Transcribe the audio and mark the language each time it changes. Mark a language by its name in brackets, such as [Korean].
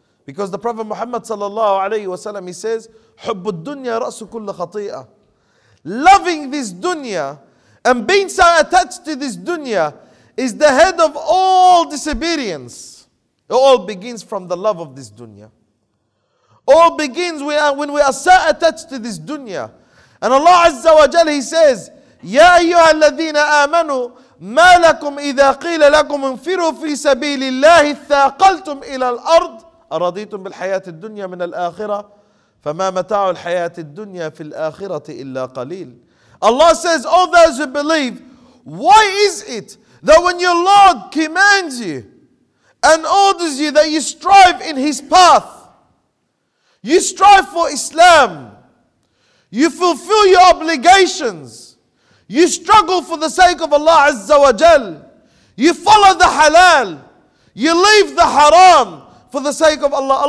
[English] Because the Prophet Muhammad sallallahu alayhi wa sallam, he says, [Arabic] حُبُّ الدُّنْيَا رَأْسُ كُلَّ خَطِيئَةً. [English] Loving this dunya and being so attached to this dunya is the head of all disobedience. It all begins from the love of this dunya. All begins when we are so attached to this dunya. And Allah Azza wa Jalla, he says, [Arabic] يَا أَيُّهَا الَّذِينَ آمَنُوا مَا لَكُمْ إِذَا قِيلَ لَكُمْ انْفِرُوا فِي سَبِيلِ اللَّهِ ثَاقَلْتُمْ إِلَى الْأَرْضِ أَرَضِيتُمْ بِالْحَيَاةِ الدُّنْيَا مِنَ الْآخِرَةِ فَمَا مَتَاعُ الْحَيَاةِ الدُّنْيَا فِي الْآخِرَةِ إِلَّا قَلِيلٌ. [English] Allah says, all those who believe, why is it that when your Lord commands you and orders you that you strive in His path, you strive for Islam, you fulfill your obligations, you struggle for the sake of Allah Azza wa Jal, you follow the halal, you leave the haram for the sake of Allah.